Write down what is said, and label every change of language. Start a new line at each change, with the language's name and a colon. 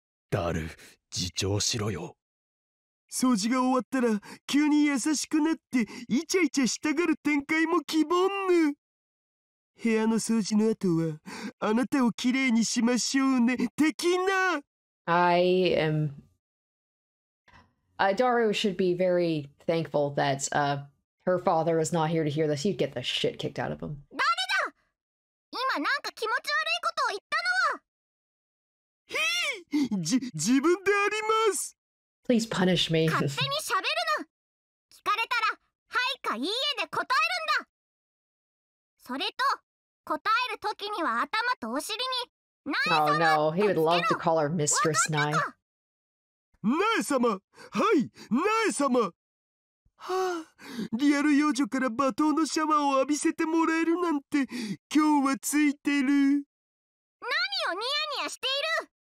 Japanese: ダル、自重しろよ。掃除が終わったら急に優しくなってイチャイチャしたがる展開も希望ぬ。部屋の掃除の後はあなたをきれいにしましょうね、的な。
English: I am Daru should be very thankful that her father is not here to hear this. He'd get the shit kicked out of him.
Japanese: 誰だ、今なんか気持ち悪いことを言ったのは。ヒー、自分であります。
English: Please punish me.
Japanese: 勝手に喋るな。聞かれたら、はいかいいえで答えるんだ。それと、答えるときには頭とお尻に、ナエ様とつけろ。
English: Oh no, he would love to call her Mistress Nae.
Japanese: ナエ様、はい、ナエ様。はあ、リアル幼女から罵倒のシャワーを浴びせてもらえるなんて、今日はついてる。何をニヤニヤしている。